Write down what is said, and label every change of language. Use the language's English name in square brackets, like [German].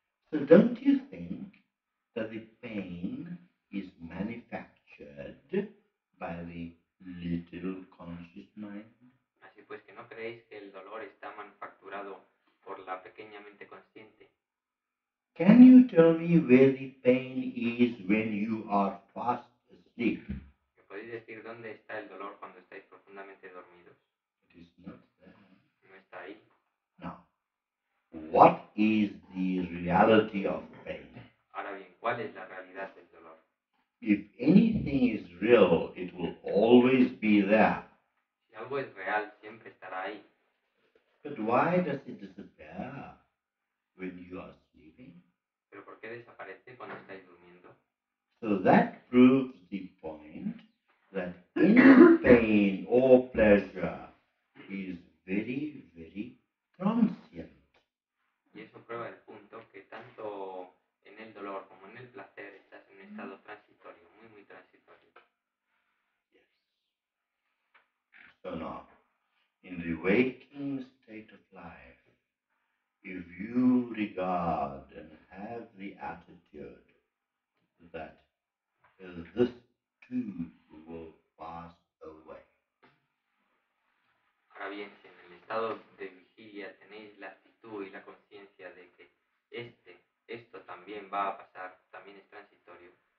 [English] So don't you think that the pain is manufactured by the little conscious mind? [Spanish] Así pues, ¿que no creéis que el dolor está manufacturado por la pequeña mente consciente? [English] Can you tell me where the pain is when you are fast asleep? [Spanish] ¿Me podéis decir dónde está el dolor cuando estáis profundamente dormidos? [English] It is not there. [Spanish] No está ahí. [English] Now, what is the reality of pain? [Spanish] Ahora bien, ¿cuál es la realidad del dolor? [English] If anything is real, it will always be there. [Spanish] Si algo es real, siempre estará ahí. [English] But why does it disappear when you are sleeping? [Spanish] ¿Pero por qué desaparece cuando estáis durmiendo? [English] So that proves the point that any pain or pleasure is very, very transient. [Spanish] Y eso prueba el punto que tanto en el dolor como en el placer estás en un estado transitorio, muy, muy transitorio. [English] Yes. So now, in the waking state of life, if you regard and have the attitude that this too will pass away. [Spanish] Ahora bien, si en el estado de vigilia tenéis la actitud y la conciencia de que esto también va a pasar, también es transitorio.